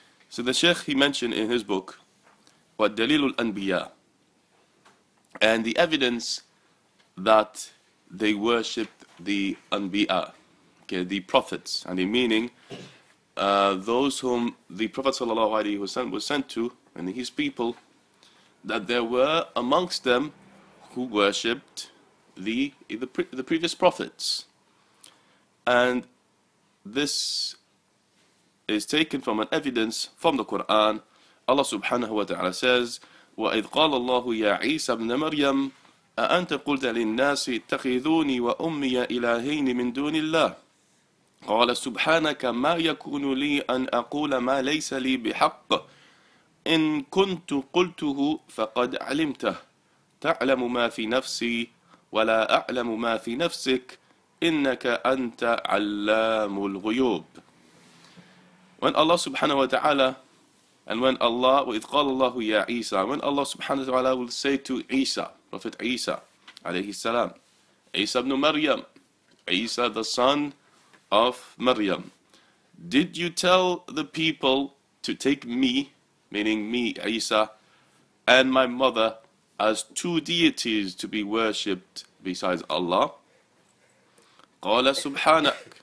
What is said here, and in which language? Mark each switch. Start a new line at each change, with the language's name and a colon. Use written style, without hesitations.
English: So the Sheikh, he mentioned in his book,
Arabic: وَالدَّلِيلُ الْأَنْبِيَا,
English: and the evidence that they worshipped the Anbiya, okay, the prophets, and in meaning, those whom the Prophet sallallahu alaihi wasallam was sent to, and his people, that there were amongst them who worshipped the previous prophets. And this is taken from an evidence from the Quran.
Arabic: Allah subhanahu wa ta'ala says, وَإِذْ قَالَ اللَّهُ يَا عِيسَى ابْنَ مَرْيَمَ أَأَنْتَ قُلْتَ لِلنَّاسِ اتَّخِذُونِي وَأُمِّيَ إِلَهَيْنِ مِنْ دُونِ اللَّهِ قَالَ سُبْحَانَكَ مَا يَكُونُ لِي أَنْ أَقُولَ مَا لَيْسَ لِي بِحَقٍّ إن كنت قلته فقد علمته تعلم ما في نفسي ولا أعلم ما في نفسك إنك أنت علام الغيوب.
English: When Allah subhanahu wa ta'ala, and when Allah,
Arabic: وإذ قال الله يا عيسى,
English: when Allah subhanahu wa ta'ala will say to Isa, Prophet Isa alayhi salam, Isa ibn Maryam, Isa the son of Maryam, did you tell the people to take me, meaning me, Isa, and my mother as two deities to be worshipped besides Allah?
Arabic: Qala subhanak.